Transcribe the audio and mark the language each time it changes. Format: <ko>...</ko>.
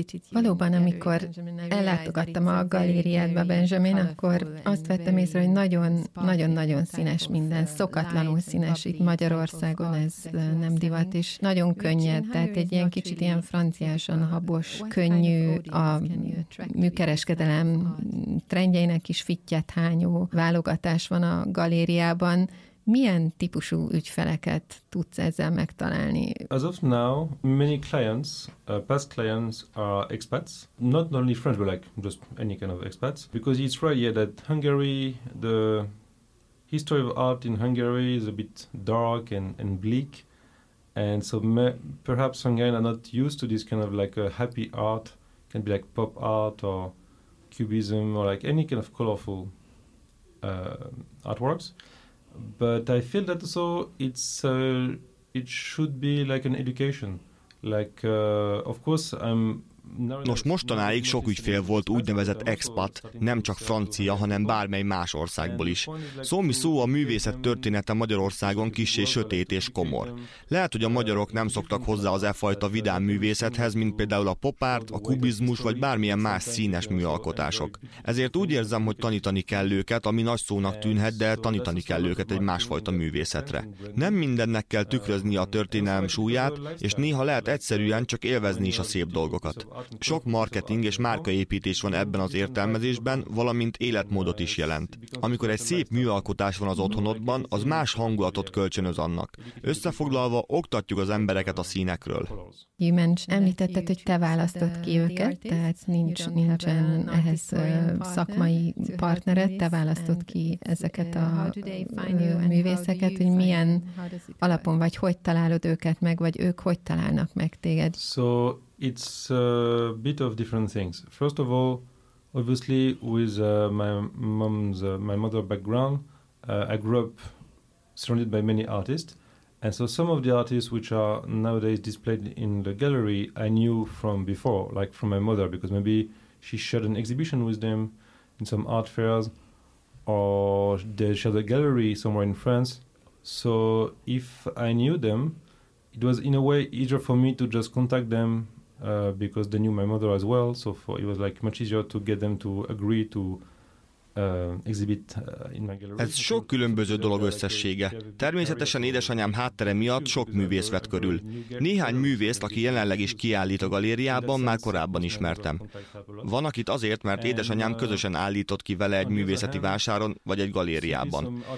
<hu>Valóban, amikor ellátogattam a galériádba, Benjamin, akkor azt vettem észre, hogy nagyon-nagyon színes minden, szokatlanul színes itt Magyarországon, ez nem divat, és nagyon könnyed, tehát egy ilyen kicsit ilyen franciásan habos, könnyű, a műkereskedelem trendjeinek is fittyet hányó válogatás van a galériában. Milyen típusú ügyfeleket tudsz ezzel megtalálni?</hu> <en>As of now, many clients, past clients are expats, not only French, but like just any kind of expats, because it's right here that Hungary, the history of art in Hungary is a bit dark and bleak, and so perhaps Hungarians are not used to this kind of like a happy art, can be like pop art or cubism or like any kind of colorful artworks. But I feel that also it should be like an education. Like, of course, I'm.</en> <hu>Nos, mostanáig sok ügyfél volt úgynevezett expat, nem csak francia, hanem bármely más országból is. Szómi szó, a művészet története Magyarországon kissé sötét és komor. Lehet, hogy a magyarok nem szoktak hozzá az e fajta vidám művészethez, mint például a popárt, a kubizmus vagy bármilyen más színes műalkotások. Ezért úgy érzem, hogy tanítani kell őket, ami nagy szónak tűnhet, de tanítani kell őket egy másfajta művészetre. Nem mindennek kell tükrözni a történelem súlyát, és néha lehet egyszerűen csak élvezni is a szép dolgokat. Sok marketing és márkaépítés van ebben az értelmezésben, valamint életmódot is jelent. Amikor egy szép műalkotás van az otthonodban, az más hangulatot kölcsönöz annak. Összefoglalva, oktatjuk az embereket a színekről. Említetted, hogy te választod ki őket, tehát nincsen ehhez szakmai partnered, te választod ki ezeket a művészeket, hogy milyen alapon vagy, hogy találod őket meg, vagy ők hogy találnak meg téged.</hu> <en>It's a bit of different things. First of all, Obviously, with my mother background, I grew up surrounded by many artists, and so some of the artists which are nowadays displayed in the gallery, I knew from before, like from my mother, because maybe she shared an exhibition with them in some art fairs, or they shared a gallery somewhere in France. So if I knew them, it was in a way easier for me to just contact them. Because they knew my mother as well, so it was like much easier to get them to agree to exhibit in my gallery.</en> <hu>Ez sok különböző dolog összessége. Természetesen édesanyám háttere miatt sok művész vett körül. Néhány művészt, aki jelenleg is kiállít a galériában, már korábban ismertem. Van, akit azért, mert édesanyám közösen állított ki vele egy művészeti vásáron vagy egy galériában.</hu>